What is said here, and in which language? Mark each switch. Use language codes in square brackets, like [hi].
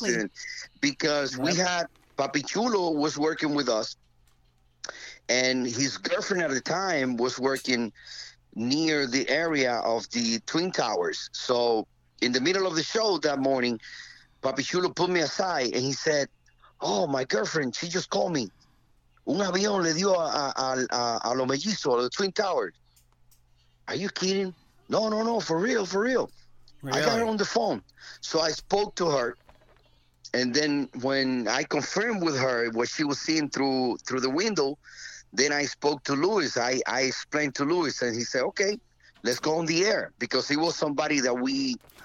[en] incident because we had Papi Chulo was working with us, and his girlfriend at the time was working near the area of the Twin Towers. So, in the middle of the show that morning, Papi Chulo pulled me aside and he said, "Oh, my girlfriend, she just called me. [es] Un avión le dio a los mellizos, a los Twin Towers." [en] "Are you kidding?" "No, no, no, for real, for real." I got her Really? on the phone. So I spoke to her. And then when I confirmed with her what she was seeing through the window, then I spoke to Lewis. I explained to Lewis and he said, "Okay, let's go on the air," because he was somebody that we